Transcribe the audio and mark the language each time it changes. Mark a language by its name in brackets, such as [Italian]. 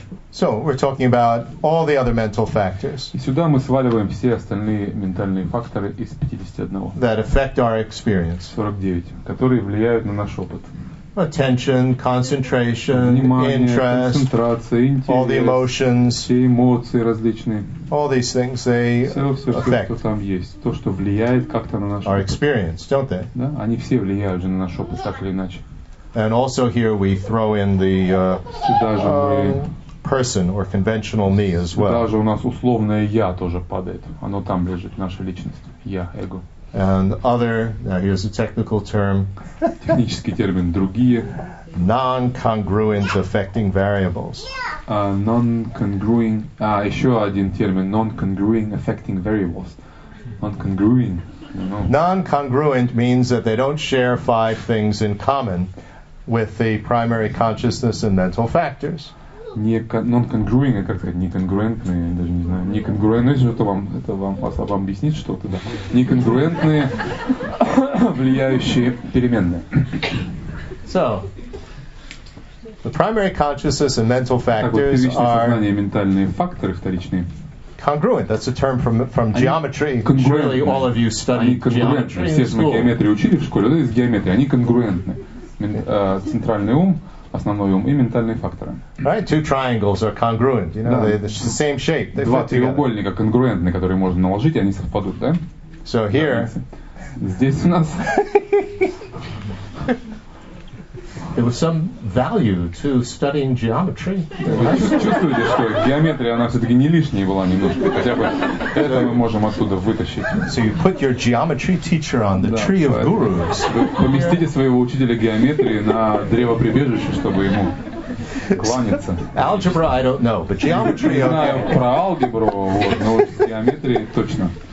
[English] So we're talking about all the other mental factors. [Russian] И сюда мы сваливаем все остальные ментальные факторы из 51. [English] That affect our experience. [Russian] 49, которые влияют на наш опыт. [English] Attention, concentration, [Russian] внимание, [English] interest, [Russian] концентрация, интерес, [English] all the emotions, [Russian] все эмоции различные. [English] All these things they affect. [Russian] Все, что там есть, то, что влияет как-то на наш [English] our experience, [Russian] опыт. [English] Don't they? [Russian] Да, они все влияют же на наш опыт так или иначе. [English] And also here we throw in the person or conventional me as well. [Russian] Сюда же у нас условное я тоже падает. Оно там лежит, наша личность. Я, эго. [English] And other, now here's a technical term. [Russian] Технический термин. Другие. [English] Non-congruent affecting variables. [Russian] Еще один термин. Non-congruent affecting variables. Non-congruent. [English] Non-congruent means that they don't share five things in common with the primary consciousness and mental factors. [Russian] Non-congruent, как сказать, неконгруентные, даже не знаю, неконгруентные, это вам объяснит что-то, да? Неконгруентные, влияющие переменные. [English] So, the primary consciousness and mental factors are [Russian] сознание, ментальные факторы вторичные. [English] Congruent, that's a term from geometry. Surely all of you studied geometry in school. [Russian] Все же мы геометрию учили в школе, да, из геометрии, они конгруентны. Центральный ум, основной ум и ментальные факторы. [English] Right, two triangles are congruent, you know, They're the same shape. They [Russian] два треугольника конгруентны, которые можно наложить, и они совпадут, да? [English] So here, [Russian] здесь у нас [English] there was some value to studying geometry. [Russian] Чувствуете, что геометрия, она все-таки не лишняя была немножко, хотя бы это мы можем оттуда вытащить. [English] So you put your geometry teacher on the tree of gurus. [Russian] Поместите своего учителя геометрии на древо прибежище, чтобы ему кланяться. [English] Algebra, I don't know, but geometry, okay. [Russian] Не знаю про алгебру, вот, но вот геометрии точно.